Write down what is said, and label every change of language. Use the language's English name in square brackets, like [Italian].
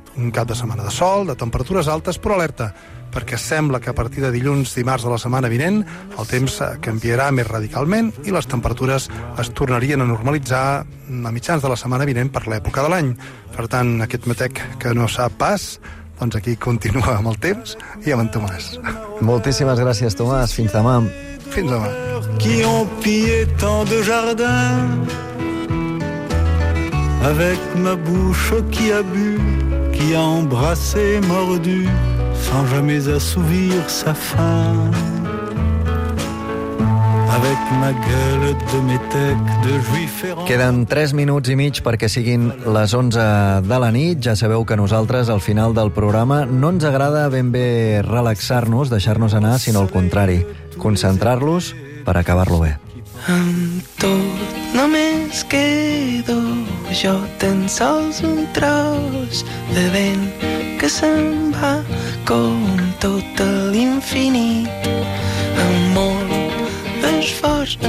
[Catalan] Un cap de setmana de sol, de temperatures altes, però alerta, perquè sembla que a partir de dilluns, dimarts de la setmana vinent, el temps canviarà més radicalment i les temperatures es tornarien a normalitzar a mitjans de la setmana vinent per l'època de l'any. Per tant, aquest Metec que no sap pas, doncs aquí continua amb el temps i amb en Tomàs. Moltíssimes gràcies, Tomàs. Fins demà. Fins demà. [French] Qui ont pillé tant de jardin avec ma bouche qui a bu, qui a embrassé, mordu sans jamais assouvir sa faim. Avec ma gueule de métèque de juif errant. [Catalan] Queden 3 minuts i mig perquè siguin les 11 de la nit. Ja sabeu que nosaltres, al final del programa, no ens agrada ben bé relaxar-nos, deixar-nos anar, sinó al contrari, concentrar-los per acabar-lo bé. Amb tot només quedo jo, tan sols un tros de vent que se'n va com tot l'infinit amb molt esforç.